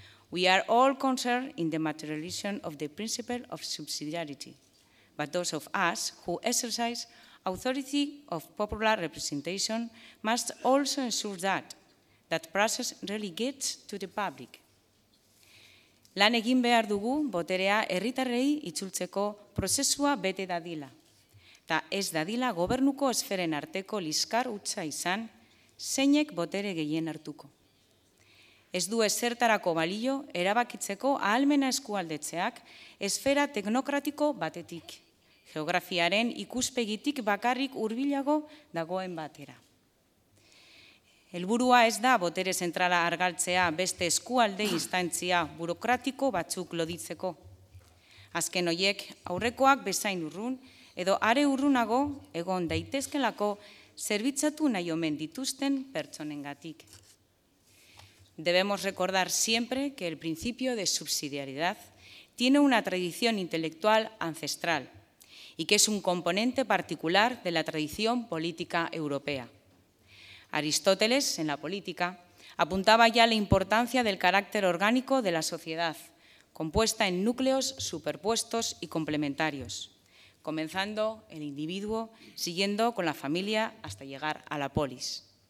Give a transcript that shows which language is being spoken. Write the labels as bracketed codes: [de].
[en] We are all concerned in the materialization of the principle of subsidiarity, but those of us who exercise authority of popular representation must also ensure that that process really gets to the public. [eu] Lan egin behar dugu boterea herritarrei itzultzeko prozesua bete dadila. Ta ez dadila gobernuko esferen arteko liskar utza izan, zeinek botere gehien hartuko. Ez du ezertarako balio erabakitzeko ahalmena eskualdetzeak esfera teknokratiko batetik, geografiaren ikuspegitik bakarrik hurbilago dagoen batera. Helburua ez da botere zentrala argaltzea beste eskualde instantzia burokratiko batzuk loditzeko. Azken hoiek aurrekoak bezain urrun edo are urrunago egon daitezkelako zerbitzatu nahi omen dituzten pertsonengatik. [es] Debemos recordar siempre que el principio de subsidiariedad tiene una tradición intelectual ancestral y que es un componente particular de la tradición política europea. Aristóteles, en la política, apuntaba ya la importancia del carácter orgánico de la sociedad, compuesta en núcleos superpuestos y complementarios, comenzando el individuo, siguiendo con la familia hasta llegar a la polis.